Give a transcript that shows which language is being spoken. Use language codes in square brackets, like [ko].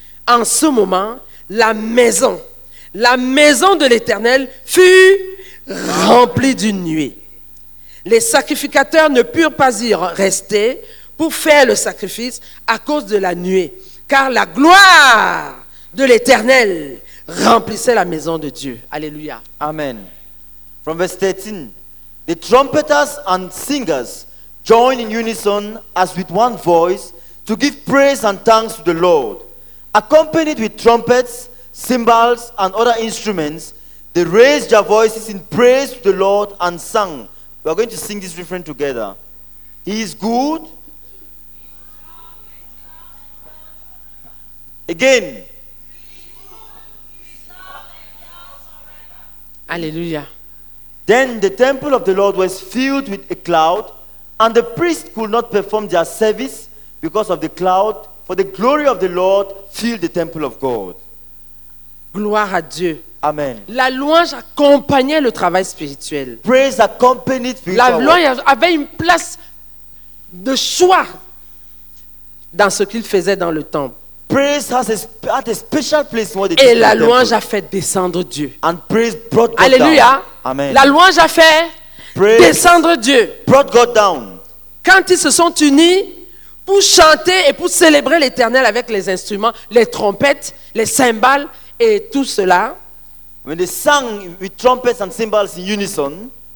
[fr] En ce moment, la maison de l'Éternel fut remplie d'une nuée. Les sacrificateurs ne purent pas y rester pour faire le sacrifice à cause de la nuée, car la gloire de l'Éternel remplissait la maison de Dieu. Alléluia. Amen. [en] From verse 13, the trumpeters and singers joined in unison as with one voice to give praise and thanks to the Lord. Accompanied with trumpets, cymbals, and other instruments, they raised their voices in praise to the Lord and sang. We are going to sing this refrain together. He is good. Again. Alleluia. Then the temple of the Lord was filled with a cloud, and the priests could not perform their service because of the cloud, for the glory of the Lord filled the temple of God. [fr] Gloire à Dieu. Amen. La louange accompagnait le travail spirituel. [en] Praise accompanied spiritual. [fr] La louange avait une place de choix dans ce qu'il faisait dans le temple. [en] Praise had a special place in what they [fr] did. Et la louange a fait descendre Dieu. [en] And praise brought God. [fr] Alléluia. [en] Down. Amen. [fr] La louange a fait [en] praise [fr] descendre Dieu. [en] Brought God down. [fr] Quand ils se sont unis pour chanter et pour célébrer l'Éternel avec les instruments, les trompettes, les cymbales et tout cela. [en] When they sang with trumpets and cymbals in unison,